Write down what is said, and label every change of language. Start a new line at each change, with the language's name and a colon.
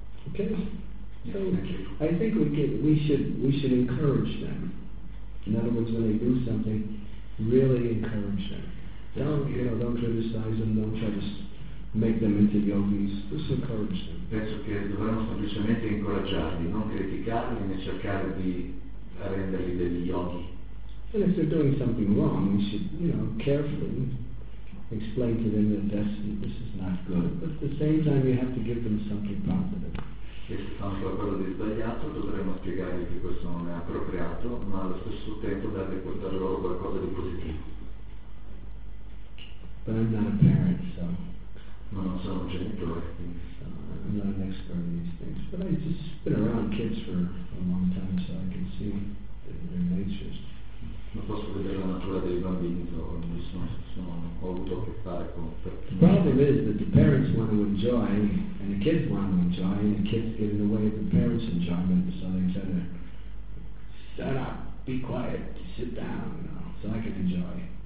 English: Okay, so I think we should encourage them. In other words, when they do something, really encourage them. Don't criticize them, don't try to make them into yogis. Just encourage them.
Italian: Penso che dovremmo semplicemente incoraggiarli, non criticarli, né cercare di
English: And if they're doing something wrong, we should, you know, carefully explain to them that this is not good. But at the same time, you have to give them something positive.
Italian: E se fanno qualcosa di sbagliato, dovremmo spiegargli che questo non è appropriato, ma allo stesso tempo dare portare loro qualcosa di positivo.
English: But I'm not a parent, so.
Italian: Ma non sono un genitore, quindi.
English: I'm not an expert in these things, but I've just been around kids for a long time, so I can see their natures.
Italian: Non posso vedere la natura dei bambini, ho avuto a che fare con.
English: The problem is that the parents want to enjoy, and the kids want to enjoy, and the kids get in the way of the parents' enjoyment, so they try to shut up, be quiet, sit down, you know, so I can enjoy.